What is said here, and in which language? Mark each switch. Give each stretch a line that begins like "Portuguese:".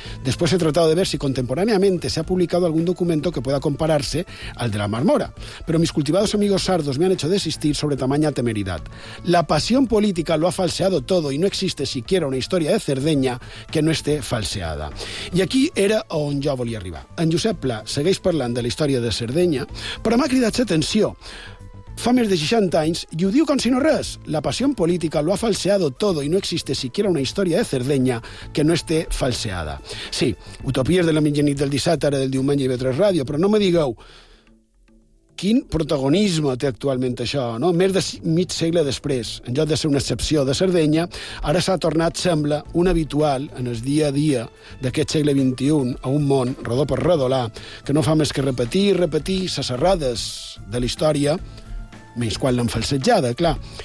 Spanish: Después he tratado de ver si contemporáneamente se ha publicado algún documento que pueda compararse al de la Marmora, pero mis cultivados amigos sardos me han hecho desistir sobre tamaña temeridad. La pasión política lo ha falseado todo y no existe siquiera una historia de Cerdeña que no esté falseada.
Catalan: I aquí era on jo volia arribar. En Josep Pla segueix parlant de la història de Cerdeña, però m'ha cridat l'atenció. Fa més de 60 anys i ho diu com si no res.
Spanish: La pasión política lo ha falseado todo y no existe siquiera una historia de Cerdeña que no esté falseada.
Catalan: Sí, utopies de la mitjanit del dissabte, ara del diumenge i Vetres Ràdio, però no me digueu quin protagonisme té actualment això, no? Més de mig segle després, en lloc de ser una excepció de Cerdeña, ara s'ha tornat, sembla, un habitual en el dia a dia d'aquest segle XXI a un món rodó per redolar que no fa més que repetir i repetir les errades de la història, menys quan l'han falsetjada, clar.